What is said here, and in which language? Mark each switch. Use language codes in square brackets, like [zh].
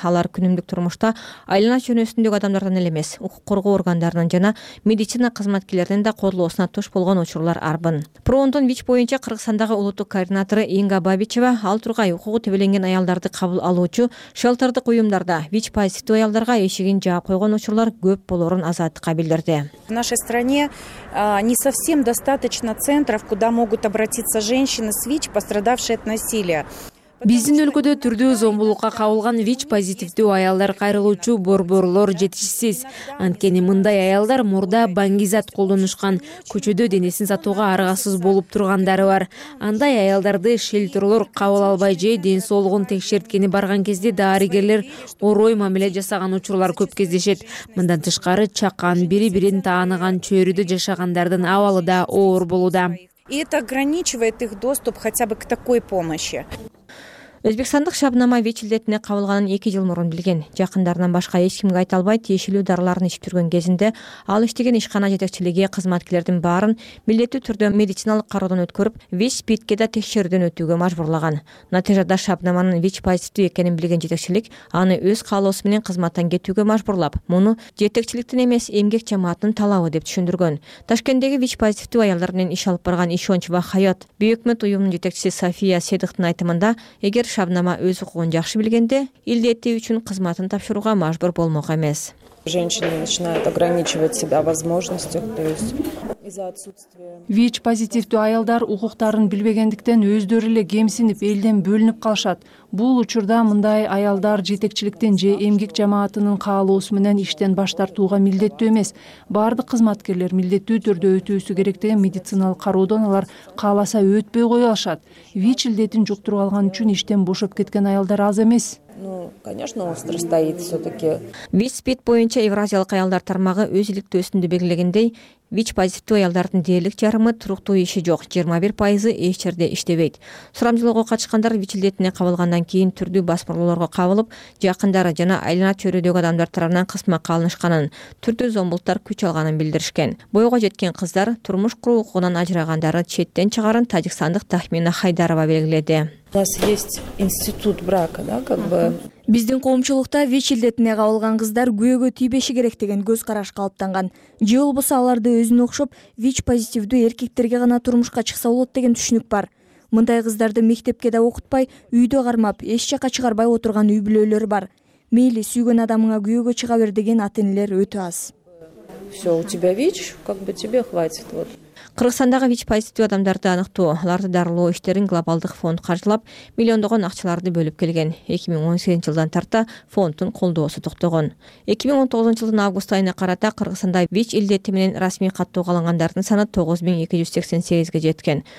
[ky] Алар күнүмдүк турмушта айлана чөйрөсүндөгү адамдардан эле эмес, укук коргоо органдарынын жана медицина кызматкерлеринин да колдоосуна туш болгон учурлар арбын. Проондун ВИЧ боюнча Кыргызстандагы улуттук координатору Инга Бабичева ал тургай укугу тебеленген аялдарды кабыл алуучу шелтер уюмдарда ВИЧ позитивдүү аялдарга эшигин жаап койгон учурлар көп болорун Азаттыкка билдирди. [ru] В нашей стране не совсем достаточно центров, куда могут обратиться женщины с ВИЧ, пострадавшие от насилия. [ky] Биздин өлкөдө түрдүү зомбулукка кабылган ВИЧ позитивдүү аялдар кайрылуучу борборлор жетишсиз. Анткени мындай аялдар мурда бангизат колдонушкан, көчөдө денесин сатууга аргасыз болуп тургандары бар. Андай аялдарды шелтерлор кабыл албай же ден соолугун текшерткени барган кезде дарыгерлер орой мамиле жасаган учурлар көп кездешет. Мындан тышкары чакан, бири-бирин тааныган чөйрөдө жашагандардын абалы да оор болууда. [ru] И это ограничивает их доступ хотя бы к такой помощи. [ky] Өзбекстандык Шабнама ВИЧ илдетине кабылганын 2 жыл мурун билген. Жакындарынан башка эч кимге айта албай тиешелүү дарыларын ичип жүргөн кезинде ал иштеген ишкана жетекчилиги кызматкерлердин баарын милдеттүү түрдө медициналык кароодон өткөрүп, ВИЧ спидке да текшерүүдөн өтүүгө мажбурлаган. Натыйжада Шабнаманын ВИЧ позитивдүү экенин билген жетекчилик аны өз каалоосу менен кызматтан кетүүгө мажбурлап, муну жетекчиликтин эмес эмгек жамааттын талабы деп түшүндүргөн. Ташкенттеги ВИЧ позитивдүү аялдар менен иш алып барган Ишонч ва Хаят Бөйөкмөт уюмунун жетекчиси София Седыктын айтымында эгер Шабнама өз укугун жакшы билгенде илдеттүү үчүн кызматын тапшырууга мажбур болмок эмес. [ru] Женщины начинают ограничивать себя возможностях, то есть из-за отсутствия. [ky] ВИЧ позитивдүү аялдар укуктарын билбегендиктен өздөрү эле кемсинип, элден бөлүнүп калышат. Бул учурда мындай аялдар жетекчиликтен же эмгек жамаатынын каалоосу менен иштен баш тартууга милдеттүү эмес. Бардык кызматкерлер милдеттүү түрдө өтүүсү керек деген медициналык кароодон алар кааласа өтпөй кое алышат. ВИЧ илдетин жуктуруп алган үчүн иштен бошоп кеткен аялдар аз эмес. [ru] Конечно, остро стоит все-таки. [ky] ВИЧ спид боюнча Евразиялык аялдар тармагы өз иликтөөсүндө белгилегендей, ВИЧ позитивдүү аялдардын дээрлик жарымы туруктуу иши жок, 21% эч жерде иштебейт. Сурамжылоого катышкандар ВИЧ илдетине кабылгандан кийин түрдүү басмырлоолорго кабылып, жакындары жана айлана чөйрөдөгү адамдар тарабынан кысмакка алынышканын, түрдүү зомбулуктар күч алганын билдиришкен. Боюга жеткен кыздар турмуш куруу укугунан ажырагандары четтен чыгарын тажикстандык Тахмина Хайдарова белгиледи. [ru] У нас есть институт брака, да, как бы. [ky] Биздин коомчулукта ВИЧ илдетине кабылган кыздар күйөөгө тийбеши керек деген көз караш калыптанган. Же болбосо аларды өзүнө окшоп, ВИЧ позитивдүү эркектерге гана турмушка чыкса болот деген түшүнүк бар. Мындай кыздарды мектепке да окутпай, үйдө кармап, эч жака чыгарбай отурган үй бүлөлөр бар. Мейли сүйгөн адамыңа күйөөгө чыга бер деген ата-энелер өтө аз. [ru] Все, у тебя ВИЧ, как бы тебе хватит вот. [ky] Кыргызстандагы вич позитивдүү адамдарды аныктоо, аларды дарылоо иштерин глобалдык фонд каржылап, миллиондогон акчаларды бөлүп келген. 2018 жылдан тарта фонддун колдоосу токтогон. 2019 жылдын август айына карата Кыргызстанда вич илдети менен расмий каттоого алынгандардын саны 9288 жеткен.